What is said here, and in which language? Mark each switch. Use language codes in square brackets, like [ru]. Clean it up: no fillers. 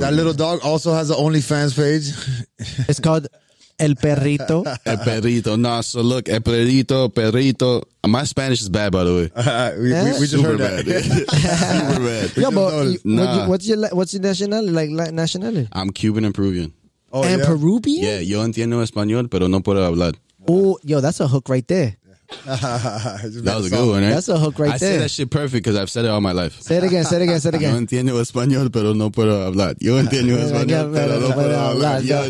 [en] That little dog also has an OnlyFans page. It's called El Perrito. El Perrito. Nah, so look, El Perrito, Perrito. My Spanish is bad, by the way. We just super heard bad. That. Super bad. Yeah, but what's your nationality? I'm Cuban and Peruvian. Oh, and Peruvian? [es] Yeah, yo entiendo español, pero no puedo hablar. [en] Oh, yo, that's a hook right there. That was a good one, right? That's a hook right there. I say that shit perfect because I've said it all my life. Say it again. [es] Yo entiendo español, pero no puedo hablar. Yo entiendo español, pero no puedo hablar.